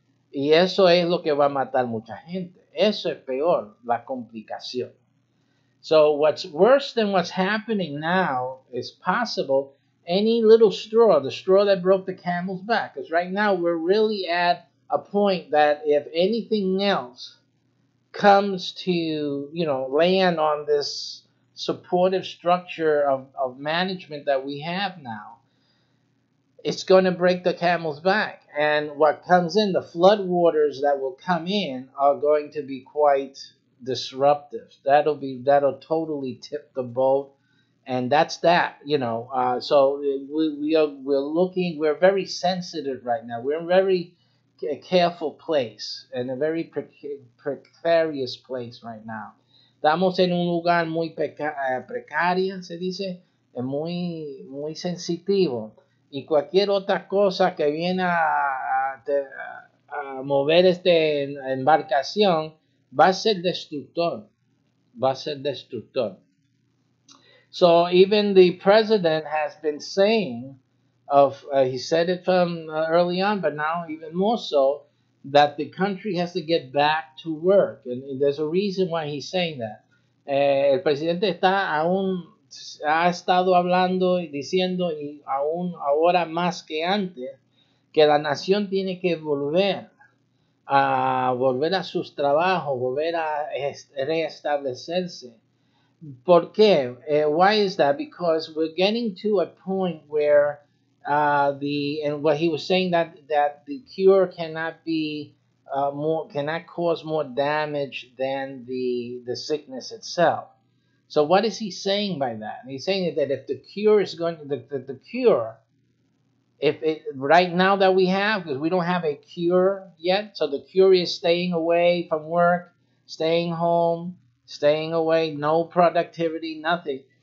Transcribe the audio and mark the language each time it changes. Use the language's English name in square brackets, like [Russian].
[Spanish] Y eso es lo que va a matar mucha gente. Eso es peor, la complicación. [English] So what's worse than what's happening now is possible. Any little straw, the straw that broke the camel's back. Because right now we're really at a point that if anything else comes to, you know, land on this supportive structure of management that we have now, it's going to break the camel's back. And what comes in, the floodwaters that will come in, are going to be quite disruptive. That'll totally tip the boat. And that's that, you know. So we're very sensitive right now. We're in a very careful place and a very precarious place right now. [Spanish] Estamos en un lugar muy precario, se dice, muy, muy sensitivo. Y cualquier otra cosa que viene a mover esta embarcación va a ser destructor. Va a ser destructor. [English] So even the president has been saying, he said it from early on, but now even more so, that the country has to get back to work. And there's a reason why he's saying that. [Spanish] El presidente ha estado hablando y diciendo, y aún ahora más que antes, que la nación tiene que volver a sus trabajos, volver a reestablecerse. ¿Por qué? [English] Why is that? Because we're getting to a point where what he was saying, that the cure cannot cause more damage than the sickness itself. So what is he saying by that? He's saying that if the cure is going to, the cure, if it right now that we have, because we don't have a cure yet, so the cure is staying away from work, staying home, staying away, no productivity, nothing.